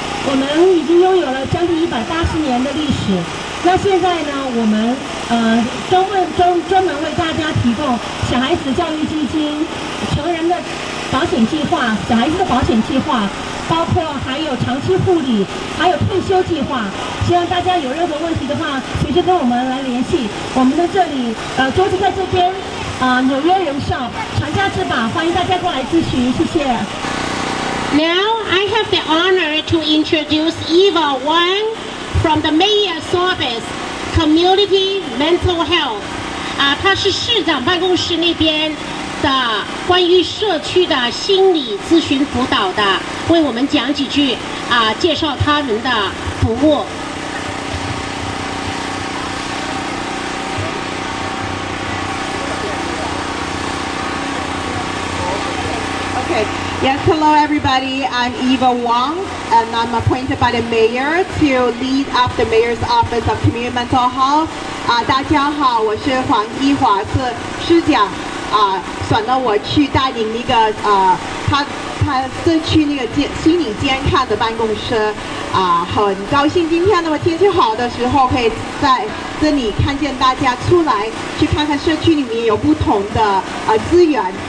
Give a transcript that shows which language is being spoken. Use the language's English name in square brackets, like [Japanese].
[Chinese] 我们已经拥有了将近180年的历史。那现在呢，我们专门为大家提供小孩子教育基金、成人的保险计划、小孩子的保险计划，包括还有长期护理，还有退休计划。希望大家有任何问题的话，随时跟我们来联系。我们的这里桌子在这边，纽约人寿传家之宝，欢迎大家过来咨询，谢谢。 [English] Now I have the honor to introduce Eva Wang from the Mayor's Office Community Mental Health。 [Chinese] 她是市长办公室那边的关于社区的心理咨询辅导的，为我们讲几句介绍他们的服务。 [English] Yes, hello everybody. I'm Eva Wang, and I'm appointed by the mayor to lead up the mayor's office of community mental health. [Chinese] 大家好，我是黄一华，是市长。选了我去带领那个他社区那个心理健康的办公室。很高兴今天那么天气好的时候，可以在这里看见大家出来去看看社区里面有不同的资源。